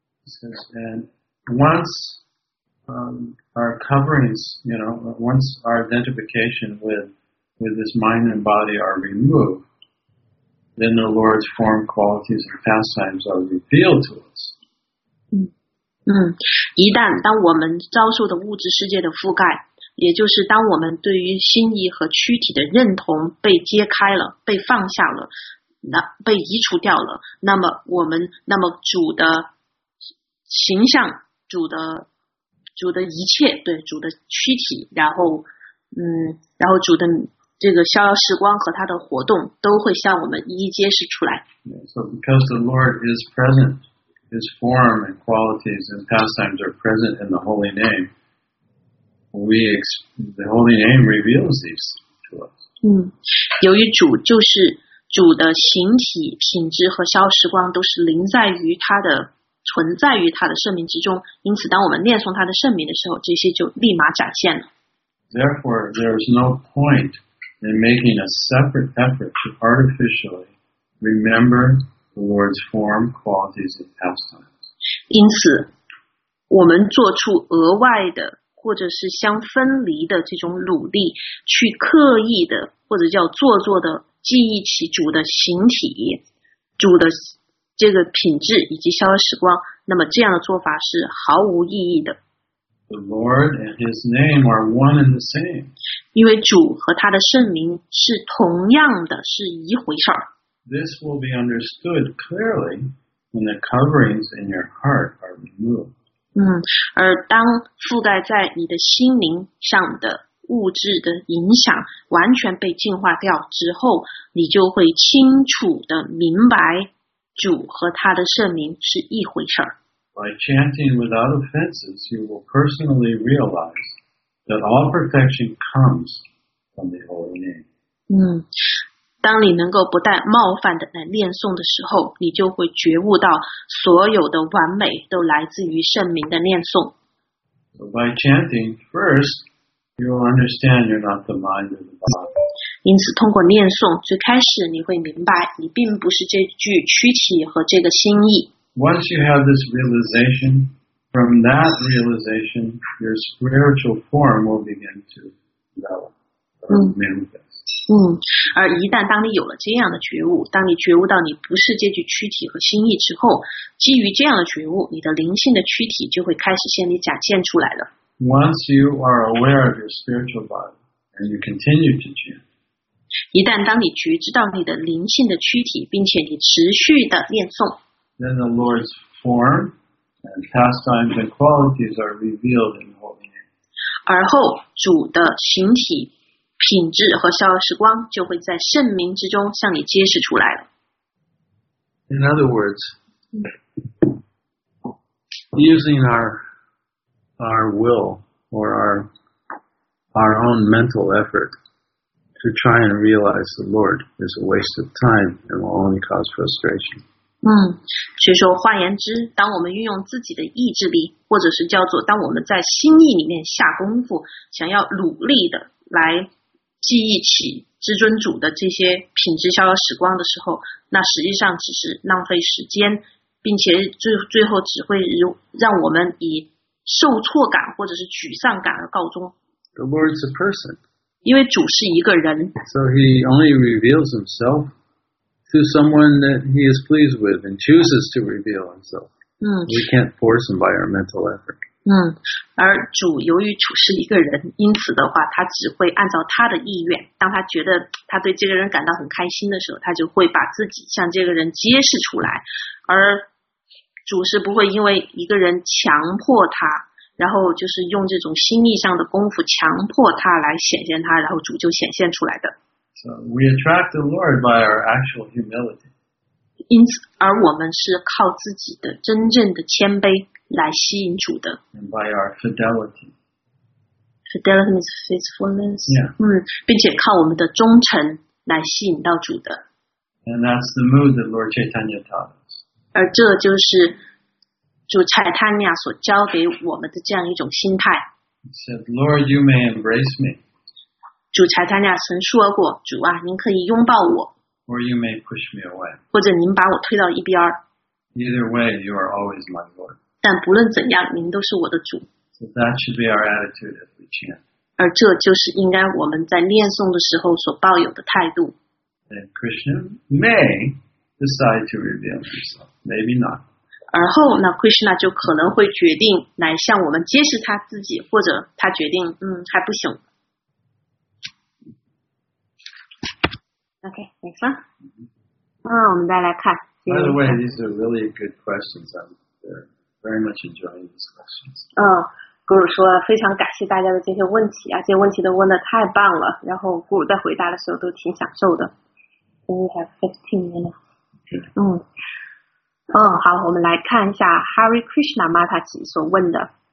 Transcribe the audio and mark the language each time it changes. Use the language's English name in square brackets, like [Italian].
[English] And once our coverings, you know, once our identification with this mind and body are removed, then the Lord's form, qualities, and pastimes are revealed to us. [Chinese] 一旦当我们遭受的物质世界的覆盖，也就是当我们对于心意和躯体的认同被揭开了，被放下了，那被移除掉了，那么主的形象，主的一切，对，主的躯体，然后主的这个逍遥时光和他的活动都会向我们一一揭示出来。 [English] So because the Lord is present. His form and qualities and pastimes are present in the holy name. The holy name reveals these to us. [Chinese] 由于主就是主的形体、品质和消时光都是临在于他的存在于他的圣名之中，因此当我们念诵他的圣名的时候，这些就立马展现了。 [English] Therefore, there is no point in making a separate effort to artificially remember. The Lord's form, qualities, and pastimes. [Chinese] 因此，我们做出额外的或者是相分离的这种努力，去刻意的或者叫做作的记忆起主的形体、主的这个品质以及消失光，那么这样的做法是毫无意义的。 [English] The Lord and His name are one and the same. [Chinese] 因为主和他的圣名是同样的，是一回事儿。 [English] This will be understood clearly when the coverings in your heart are removed. [Chinese] 而当覆盖在你的心灵上的物质的影响完全被净化掉之后，你就会清楚地明白主和他的圣名是一回事儿。 [English] By chanting without offenses, you will personally realize that all perfection comes from the holy name. [Chinese] 当你能够不带冒犯的来念诵的时候，你就会觉悟到所有的完美都来自于圣名的念诵。 [English] So、by chanting, first, you'll understand you're not the mind or the body. [Chinese] 因此通过念诵最开始你会明白你并不是这具躯体和这个心意。 [English] Once you have this realization, From that realization, your spiritual form will begin to manifest. [Chinese] 而一旦当你有了这样的觉悟，当你觉悟到你不是这具躯体和心意之后，基于这样的觉悟，你的灵性的躯体就会开始向你展现出来了。 [English] Once you are aware of your spiritual body, and you continue to chant. [Chinese] 一旦当你觉知到你的灵性的躯体，并且你持续的念诵 [English] ，Then the Lord's form and pastimes and qualities are revealed in the Holy Name. [Chinese] 而后，主的形体、品质和消失光就会在圣名之中向你揭示出来了。 [English] In other words, using our will or our own mental effort. To try and realize the Lord is a waste of time and will only cause frustration. [Chinese] 所以说换言之，当我们运用自己的意志力，或者是叫做当我们在心意里面下功夫，想要努力的来记忆起至尊主的这些品质逍遥时光的时候，那实际上只是浪费时间，并且最后只会让我们以受挫感或者是沮丧感而告终。 [English] The Lord is a person. [Chinese] 因为主是一个人 [English] ，so he only reveals himself to someone that he is pleased with and chooses to reveal himself. We can't force him by our mental effort. [Chinese] 而主由于主是一个人，因此的话，他只会按照他的意愿。当他觉得他对这个人感到很开心的时候，他就会把自己向这个人揭示出来。而主是不会因为一个人强迫他。然后就是用这种心意上的功夫强迫他来显现他，然后主就显现出来的。 [English] So we attract the Lord by our actual humility. [Chinese] 因此，而我们是靠自己的真正的谦卑来吸引主的。 [English] And by our fidelity. Fidelity means faithfulness. Yeah. [Chinese] 并且靠我们的忠诚来吸引到主的。 [English] And that's the mood that Lord Chaitanya taught us. [Chinese] 而这就是。主蔡塔尼亚所教给我们的这样一种心态。 [English] He said, Lord, you may embrace me. [Chinese] 主蔡塔尼亚曾说过，主啊，您可以拥抱我。 [English] Or you may push me away. [Chinese] 或者您把我推到一边。 [English] Either way, you are always my Lord. [Chinese] 但不论怎样，您都是我的主。 [English] So that should be our attitude as we chant. [Chinese] 而这就是应该我们在念诵的时候所抱有的态度。 [English] And Krishna may decide to reveal himself. Maybe not. [Chinese] 而后那 Krishna 就可能会决定来向我们揭示他自己，或者他决定还不行。 [English] OK, next one. [Chinese] 我们再来看。 [English] By the way, these are really good questions. I'm very much enjoying these questions. [Chinese] 古鲁说非常感谢大家的这些问题啊，这些问题都问得太棒了，然后古鲁在回答的时候都挺享受的。 [English] We have 15 minutes. [Chinese] 好，我们来看一下 Hare Krishna Mata 所问的。